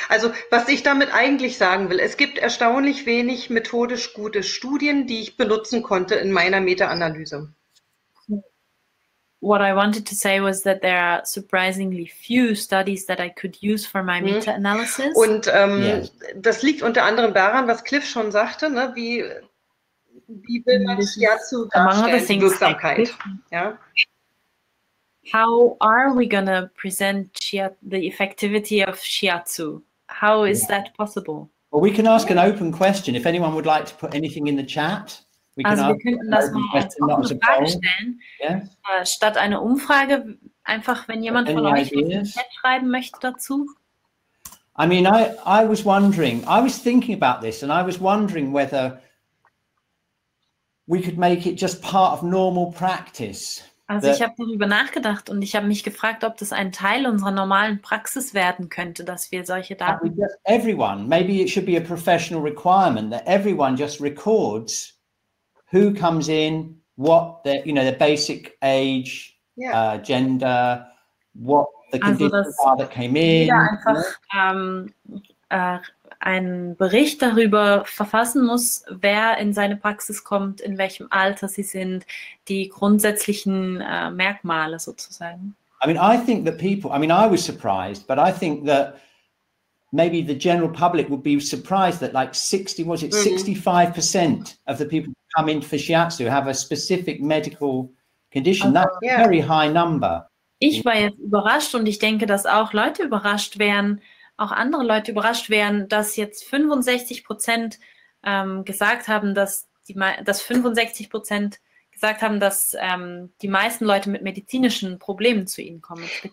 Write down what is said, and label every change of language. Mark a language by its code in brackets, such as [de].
[de] Also was ich damit eigentlich sagen will, es gibt erstaunlich wenig methodisch gute Studien, die ich benutzen konnte in meiner Meta-Analyse. [en] What I wanted to say was that there are surprisingly few studies that I could use for my meta-analysis. [de] Und das liegt unter anderem daran, was Cliff schon sagte, ne, wie will man Shiatsu darstellen, Wirksamkeit. Ja? [en] How are we going to present the effectivity of Shiatsu? How is that possible? Well, we can ask an open question. If anyone would like to put anything in the chat, we [de] also wir könnten das mal als Frage stellen, statt eine Umfrage, einfach wenn jemand von euch was im Chat schreiben möchte dazu. [en] I mean, I was wondering, I was thinking about this and I was wondering whether we could make it just part of normal practice. [de] Also ich habe darüber nachgedacht und ich habe mich gefragt, ob das ein Teil unserer normalen Praxis werden könnte, dass wir solche Daten... [en] Everyone, maybe it should be a professional requirement that everyone just records who comes in, what the, you know, the basic age, gender, what the conditions are that came in. [de] Also, dass jeder einfach einen Bericht darüber verfassen muss, wer in seine Praxis kommt, in welchem Alter sie sind, die grundsätzlichen Merkmale sozusagen. [en] I mean, I think that people, I mean, I was surprised, but I think that maybe the general public would be surprised that like 65% of the people come in for shiatsu have a specific medical condition. Also, that's a very high number. [de] Ich war jetzt überrascht und ich denke, dass auch Leute überrascht wären, auch andere Leute überrascht wären, dass jetzt 65% gesagt haben, dass die meisten Leute mit medizinischen Problemen zu ihnen kommen.